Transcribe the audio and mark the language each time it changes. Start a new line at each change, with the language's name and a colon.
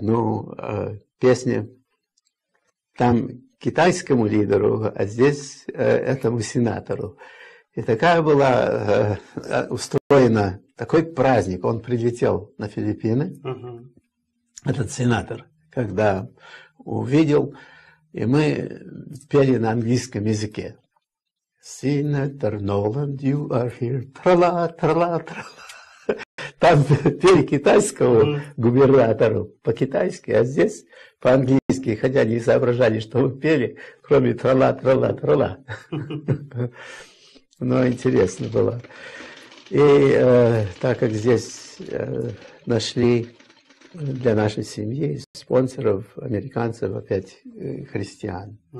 Russian: Ну, песня там китайскому лидеру, а здесь этому сенатору. И такая была устроена, такой праздник. Он прилетел на Филиппины, этот сенатор, когда увидел, и мы пели на английском языке.
English: Senator Nolan, you are here. Тра-ла, тра-ла, тра-ла.
Russian: Там пели китайскому губернатору по-китайски, а здесь по-английски, хотя не соображали, что вы пели, кроме тра-ла, тра-ла, тра-ла. Но интересно было. И так как здесь нашли для нашей семьи спонсоров американцев опять христиан.